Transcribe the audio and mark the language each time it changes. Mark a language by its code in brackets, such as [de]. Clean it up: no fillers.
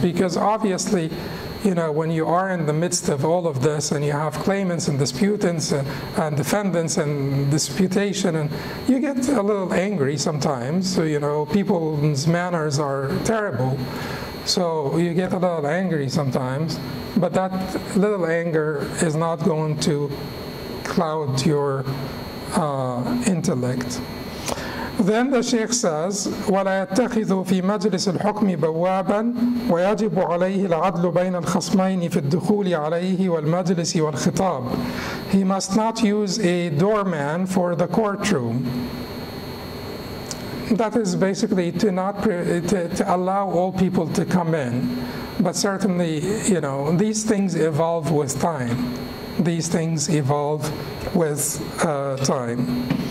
[en] Because obviously, you know, when you are in the midst of all of this and you have claimants and disputants and defendants and disputation, and you get a little angry sometimes. So, you know, people's manners are terrible. So you get a little angry sometimes, but that little anger is not going to cloud your intellect. Then the Sheikh says, [ar] وَلَا يَتَّخِذُ فِي مَجْلِسِ الْحُكْمِ بَوَّابًا وَيَجِبُ عَلَيْهِ الْعَدْلُ بَيْنَ الْخَصْمَيْنِ فِي الدُّخُولِ عَلَيْهِ وَالْمَجْلِسِ وَالْخِطَابِ. [en] He must not use a doorman for the courtroom. That is basically to allow all people to come in. But certainly, you know, these things evolve with time. These things evolve with time.